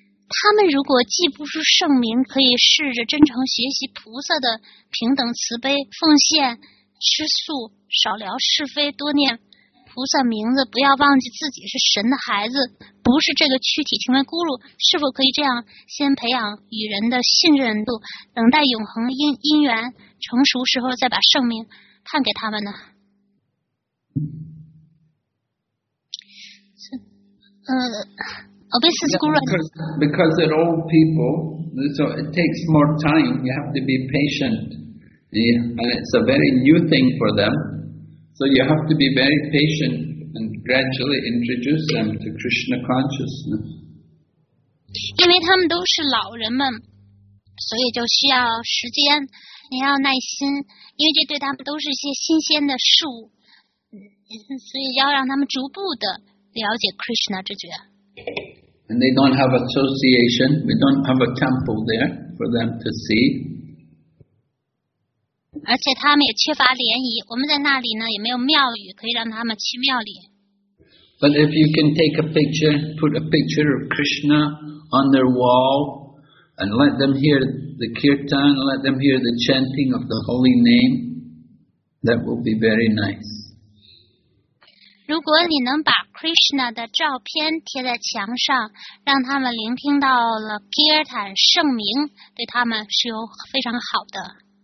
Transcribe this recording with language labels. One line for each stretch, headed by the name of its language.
Chinese: 他们如果记不住圣名，可以试着真诚学习菩萨的平等慈悲、奉献、吃素、少聊是非、多念菩萨名字，不要忘记自己是神的孩子，不是这个躯体，成为咕噜，是否可以这样先培养与人的信任度，等待永恒因缘成熟时候再把圣名判给他们呢？
English: Because they're old people, so it takes more time. You have to be patient. Yeah. And it's a very new thing for them. So you have to be very patient and gradually introduce them to Krishna consciousness. Because they're old people, so you need time. You need patience. Because for them, they're all new things. So you have to be patient and gradually introduce them to Krishna consciousness. And they don't have association, we don't have a temple there for them to see.
Chinese: 而且他们也缺乏联谊，我们在那里呢也没有庙宇可以让他们去庙里。
English: But if you can take a picture, put a picture of Krishna on their wall, and let them hear the kirtan, let them hear the chanting of the holy name, that will be very nice.
Chinese: 如果你能把 Krishna 的照片贴在墙上，让他们聆听到了 Kirtan 圣名，对他们是有非常好的。